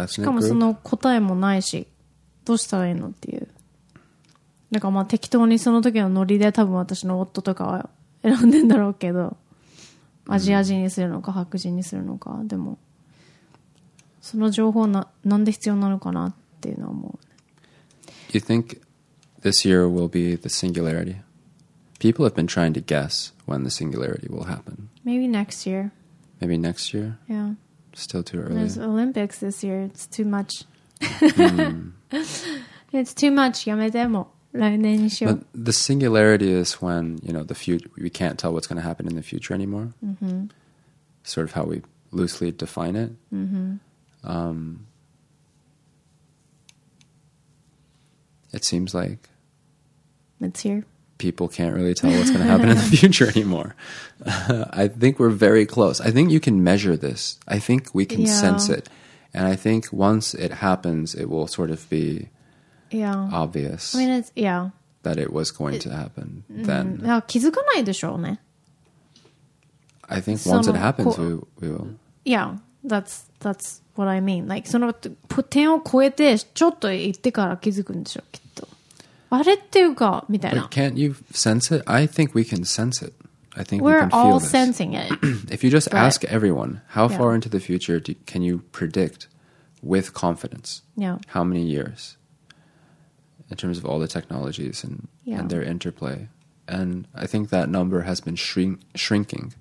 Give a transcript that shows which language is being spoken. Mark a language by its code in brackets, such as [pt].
[ja] group? しかもその答えもないし、どうしたらいいのっていう。なんかまあ適当にその時のノリで多分私の夫とかは選んでんだろうけど、アジア人にするのか白人にするのか、でも、その情報なんで必要なのかなっていうのは思う。 [en] Do you think this year will be the singularity? People have been trying to guess when the singularity will happen. Maybe next year. Maybe next year? Yeah. Still too early. There's Olympics this year. It's too much. It's too much. [ja] やめても。来年にしよう。 [en] But the singularity is when, you know, the we can't tell what's going to happen in the future anymore. Mm-hmm. Sort of how we loosely define it. Mm-hmm. It seems like... It's here. People can't really tell what's going to happen in the future anymore. I think we're very close. I think you can measure this. I think we can sense it. And I think once it happens, it will sort of be obvious. I mean, it's, that it was going to happen then. [ja] 気づかないでしょうね。 [en] I think once it happens, we will. Yeah, that's what I mean. Like, [ja] その点を越えてちょっと行ってから気づくんでしょう、きっと。あれっていうかみたいな。 [en] But can't you sense it? I think we can sense it. I think we're we can feel all this. Sensing it. If you just ask everyone, how far into the future can you predict with confidence? Yeah. How many years? In terms of all the technologies and their interplay, and I think that number has been shrinking.